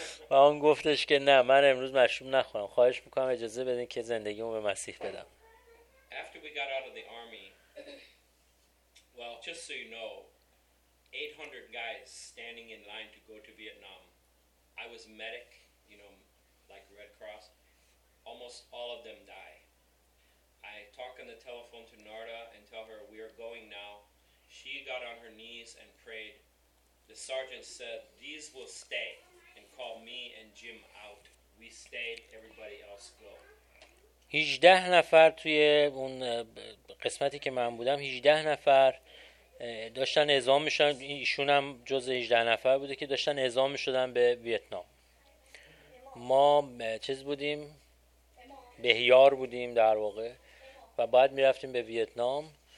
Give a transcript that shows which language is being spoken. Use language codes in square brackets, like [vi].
[fa] و اون گفتش که نه من امروز مشروب نخورم، خواهش میکنم اجازه بدین که زندگیمو به مسیح بدم. [en] After we got out of the army, well, just so you know, 800 guys standing in line to go to Vietnam. I was a medic, you know, like Red Cross. Almost all of them die. I talk on the telephone to Narda and tell her, we are going now. She got on her knees and prayed. The sergeant said, these will stay and call me and Jim out. We stayed, everybody else go. [fa] 18 نفر توی اون قسمتی که من بودم 18 نفر داشتن اعزام میشن، ایشون هم جز 18 نفر بوده که داشتن اعزام میشدن به ویتنام. ما چیز بودیم، بهیار بودیم در واقع و بعد میرفتیم به ویتنام.